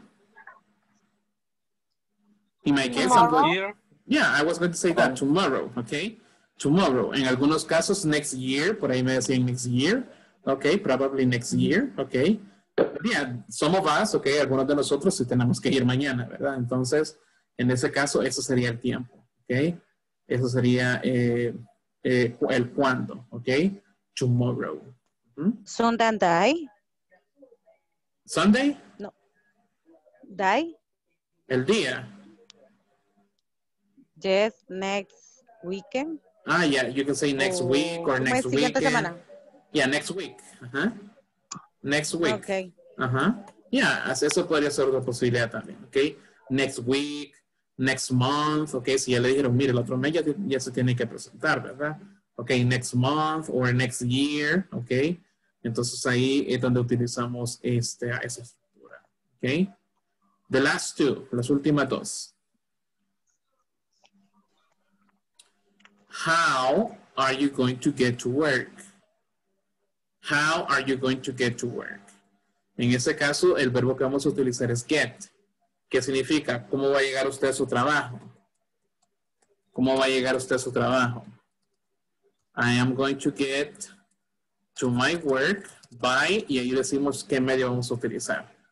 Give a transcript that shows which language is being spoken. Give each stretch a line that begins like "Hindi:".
English: Mm-hmm. In my case, I'm going, yeah, I was going to say that tomorrow, okay? Tomorrow.
Spanish: En algunos casos,
English: next year,
Spanish: por ahí me decían next year, okay?
English: Probably next year, okay? But yeah, some of us, okay,
Spanish: algunos de nosotros sí tenemos que ir mañana, ¿verdad? Entonces, en ese caso, eso sería el tiempo, okay? Eso sería el cuándo, okay? Tomorrow.
English: Mm-hmm. Sunday and day. Sunday? No. Die?
Spanish: El día.
English: Yes, next weekend. Ah, yeah, you can say next week or next weekend. Semana. Yeah, next week. Uh-huh. Next week. Okay. Uh-huh. Yeah,
Spanish: eso podría ser otra posibilidad también,
English: okay? Next week, next month, okay?
Spanish: Si ya le dijeron, mire, el otro mes ya se tiene que presentar, ¿verdad?
English: Okay, next month or next year, okay?
Spanish: Entonces ahí es donde utilizamos esa estructura,
English: okay? The last two,
Spanish: las últimas dos.
English: How are you going to get to work? How are you going to get to work?
Spanish: En ese caso, el verbo que vamos a utilizar es get. ¿Qué significa? ¿Cómo va a llegar usted a su trabajo? ¿Cómo va a llegar usted a su trabajo?
English: I am going to get to my work by,
Spanish: y ahí decimos qué medio vamos a utilizar.